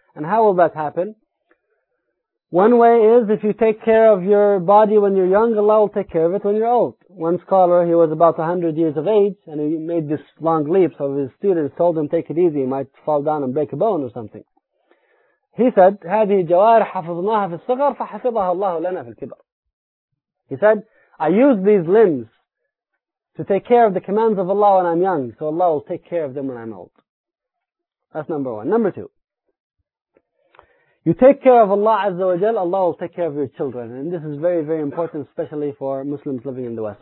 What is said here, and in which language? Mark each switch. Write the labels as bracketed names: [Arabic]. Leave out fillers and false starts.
[English] And how will that happen? One way is if you take care of your body when you're young, Allah will take care of it when you're old. One scholar, he was about 100 years of age and he made this long leap, so his students told him, take it easy, you might fall down and break a bone or something. He said, [Arabic] هذه جوارح حفظناها في الصغر فحفظها الله لنا في الكبر. [English] He said, I use these limbs to take care of the commands of Allah when I'm young, so Allah will take care of them when I'm old. That's number one. Number two. You take care of Allah Azza wa Jal, Allah will take care of your children. And this is very, very important, especially for Muslims living in the West.